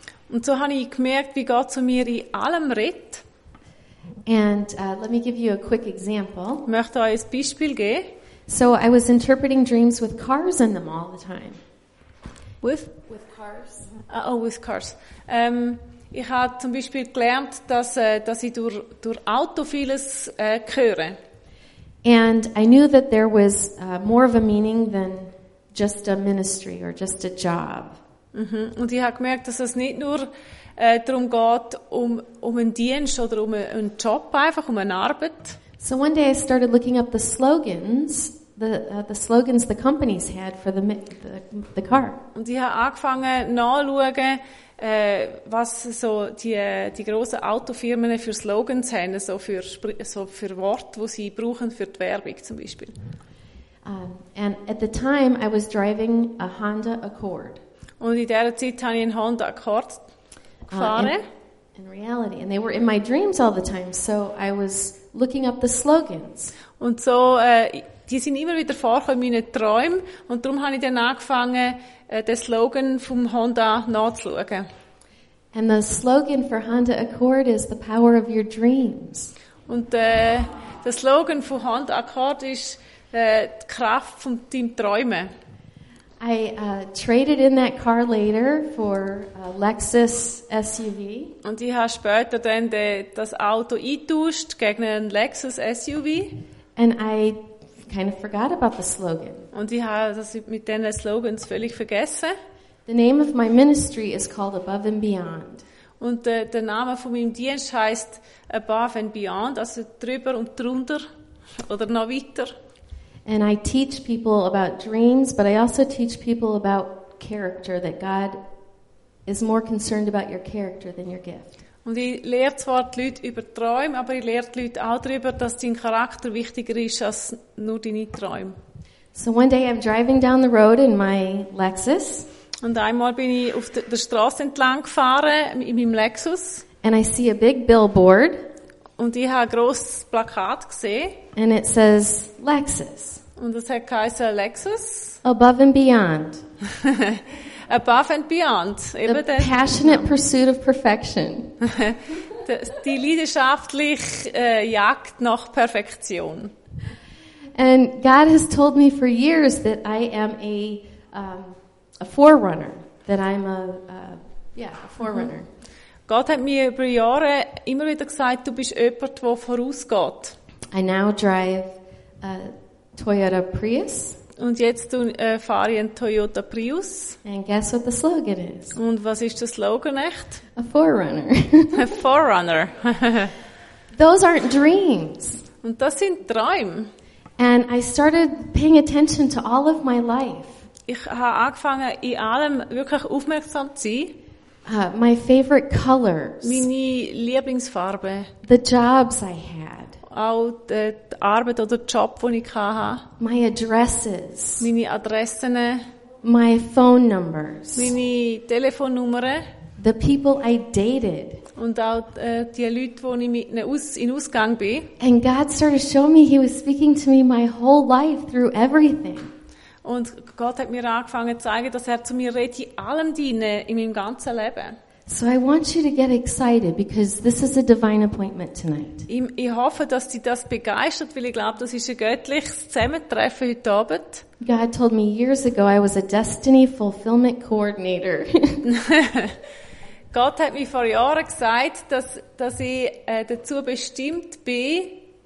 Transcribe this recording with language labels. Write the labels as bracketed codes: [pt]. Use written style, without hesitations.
[de] Und so habe ich gemerkt, wie Gott zu mir in allem redet. [en] And let me give you a quick example. [de] Ich möchte euch ein Beispiel geben. [en] So I was interpreting dreams with cars in them all the time. With cars. With cars. [de] Ich habe zum Beispiel gelernt, dass ich durch Auto vieles höre. [en] And I knew that there was more of a meaning than just a ministry or just a job. Mm-hmm. [de] Und ich habe gemerkt, dass es nicht nur darum geht, um einen Dienst oder um einen Job, einfach um eine Arbeit. [en] So one day I started looking up the slogans, the slogans the companies had for the car. [de] Und ich habe angefangen nachzuschauen, was so die grossen Autofirmen für Slogans haben, so für Worte, die sie brauchen für die Werbung zum Beispiel. [en] And at the time I was driving a Honda Accord. [de] Und in dieser Zeit habe ich einen Honda Accord gefahren. [en] In reality, and they were in my dreams all the time, so I was looking up the slogans. [de] Und so, die sind immer wieder vorgekommen in meinen Träumen, und darum habe ich dann angefangen, den Slogan vom Honda nachzuschauen. [en] And the slogan for Honda Accord is the power of your dreams. [de] Und der Slogan von Honda Accord ist die Kraft von deinem Träumen. [en] I traded in that car later for a Lexus SUV. [de] Und ich habe später dann das Auto eingetauscht gegen einen Lexus SUV. [en] And I kind of forgot about the slogan. [de] Und ich habe das mit den Slogans völlig vergessen. [en] The name of my ministry is called Above and Beyond. [de] Und der Name von meinem Dienst heißt Above and Beyond, also drüber und drunter oder noch weiter. [en] And I teach people about dreams, but I also teach people about character, that God is more concerned about your character than your gift. [de] Und ich lehre zwar die Leute über Träume, aber ich lehre die Leute auch darüber, dass dein Charakter wichtiger ist als nur deine Träume. [en] So one day I'm driving down the road in my Lexus. [de] Und einmal bin ich auf der Straße entlang gefahren in meinem Lexus. [en] And I see a big billboard. [de] Und ich habe ein grosses Plakat gesehen. [en] And it says Lexus. [de] Und es hat geheißen Lexus. [en] Above and beyond. Above and beyond. The [de] eben [en] passionate den, pursuit of perfection. [de] die leidenschaftliche Jagd nach Perfektion. [en] And God has told me for years that I am a forerunner. That I'm a forerunner. Mm-hmm. [de] Gott hat mir über Jahre immer wieder gesagt, du bist jemand, der vorausgeht. [en] I now drive a Toyota Prius. [de] Und jetzt fahre ich einen Toyota Prius. [en] And guess what the slogan is? [de] Und was ist der Slogan echt? [en] A forerunner. A forerunner. Those aren't dreams. [de] Und das sind Träume. [en] And I started paying attention to all of my life. [de] Ich habe angefangen, in allem wirklich aufmerksam zu sein. [en] My favorite colors. [de] Meine Lieblingsfarbe. [en] The jobs I had. [de] Auch die Arbeit oder den Job, den ich hatte. [en] My addresses. [de] Meine Adressen. [en] My phone numbers. [de] Meine Telefonnummern. [en] The people I dated. [de] Und auch die Leute, wo ich mit in Ausgang bin. [en] And God started to show me, he was speaking to me my whole life through everything. [de] Und Gott hat mir angefangen zu zeigen, dass er zu mir redet in allem Dinge in meinem ganzen Leben. [en] So I want you to get excited because this is a divine appointment tonight. [de] Ich hoffe, dass dich das begeistert, weil ich glaube, das ist ein göttliches Zusammentreffen heute Abend. [en] God told me years ago I was a destiny fulfillment coordinator. [de] Gott hat mir vor Jahren gesagt, dass ich dazu bestimmt bin,